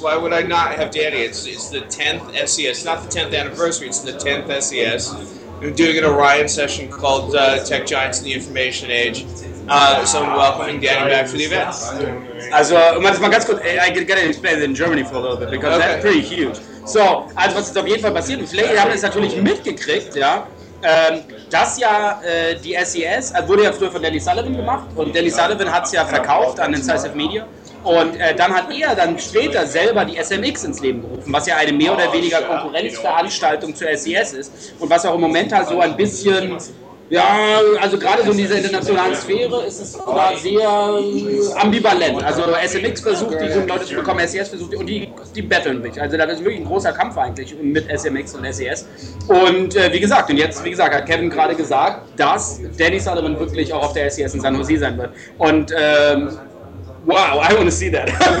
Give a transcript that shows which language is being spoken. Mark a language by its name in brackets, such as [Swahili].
[English] Why would I not have Danny? It's the 10th SES. Not the 10th anniversary. It's the 10th SES. We're doing an Orion session called Tech Giants in the Information Age. So I'm welcoming Danny back for the event. [German] Also, man, das mal ganz kurz, [English] I gotta explain it in Germany for a little bit, because that's pretty huge. [German] So, also was ist auf jeden Fall passiert, und vielleicht haben wir es natürlich mitgekriegt, ja, dass ja die SES, wurde ja früher von Danny Sullivan gemacht, und Danny Sullivan hat es ja verkauft an Incisive Media, und dann hat er dann später selber die SMX ins Leben gerufen, was ja eine mehr oder weniger Konkurrenzveranstaltung zur SES ist, und was auch im Moment halt so ein bisschen... Ja, also gerade so in dieser internationalen Sphäre ist es sogar sehr ambivalent. Also SMX versucht, die jungen Leute zu bekommen, SES versucht, und die battlen mich. Also das ist wirklich ein großer Kampf eigentlich mit SMX und SES. Und wie gesagt, hat Kevin gerade gesagt, dass Danny Sullivan wirklich auch auf der SES in San Jose sein wird. [English] Und wow, I want to see that.